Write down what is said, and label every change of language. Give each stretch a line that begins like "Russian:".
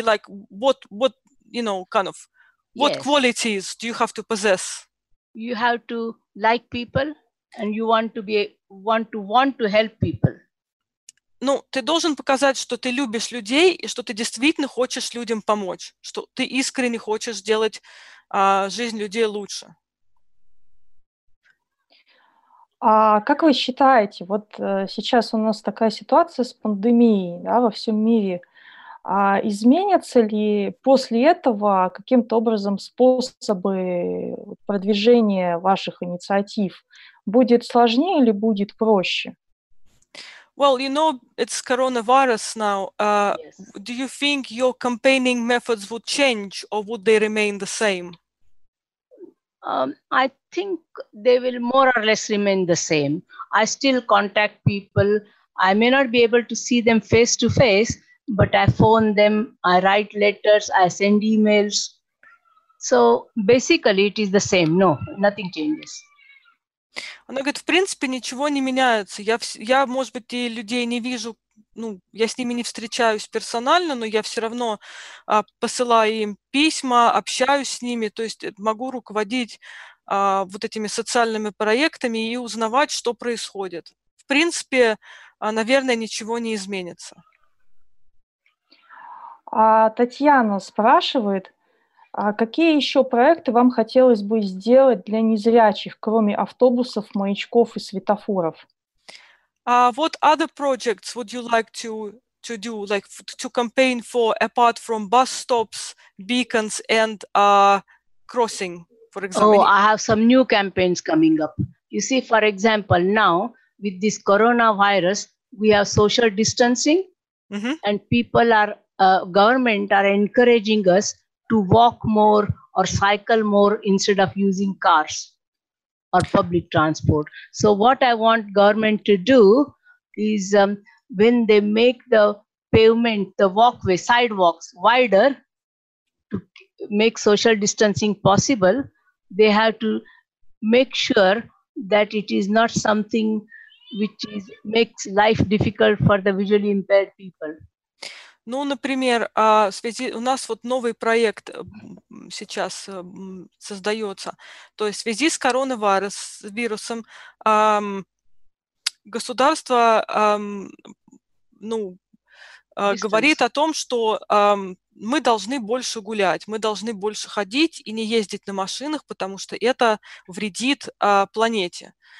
English: Like, what you know, kind of, what qualities do you have to possess? You have to like people and you want to help people.
Russian: Ну, ты должен показать, что ты любишь людей и что ты действительно хочешь людям помочь, что ты искренне хочешь сделать жизнь людей лучше. А как вы считаете, вот сейчас у нас такая ситуация с пандемией, да, во всем мире, а изменятся ли после этого каким-то образом способы продвижения ваших инициатив? Будет сложнее или будет проще?
English: Well, you know, it's coronavirus now. Do you think your campaigning methods would change or would they remain the same? I think they will more or less remain the same. I still contact people. I may not be able to see them face to face, but I phone them, I write letters, I send emails. So basically it is the same. No, nothing changes.
Russian: Она говорит, в принципе, ничего не меняется. Я, может быть, и людей не вижу, ну, я с ними не встречаюсь персонально, но я все равно посылаю им письма, общаюсь с ними, то есть могу руководить вот этими социальными проектами и узнавать, что происходит. В принципе, наверное, ничего не изменится. А Татьяна спрашивает, а какие еще проекты вам хотелось бы сделать для незрячих, кроме автобусов, маячков и светофоров?
English: What other projects would you like to do, like to campaign for, apart from bus stops, beacons, and crossing, for example? Oh, I have some new campaigns coming up. You see, for example, now with this coronavirus, we have social distancing, mm-hmm. and people are government are encouraging us to walk more or cycle more instead of using cars or public transport. So what I want government to do is when they make the pavement, the walkway, sidewalks wider to make social distancing possible, they have to make sure that it is not something which is makes life difficult for the visually impaired people.
Russian: Ну, например, у нас вот новый проект сейчас создается. То есть в связи с коронавирусом государство говорит о том, что мы должны больше гулять, мы должны больше ходить и не ездить на машинах, потому что это вредит планете.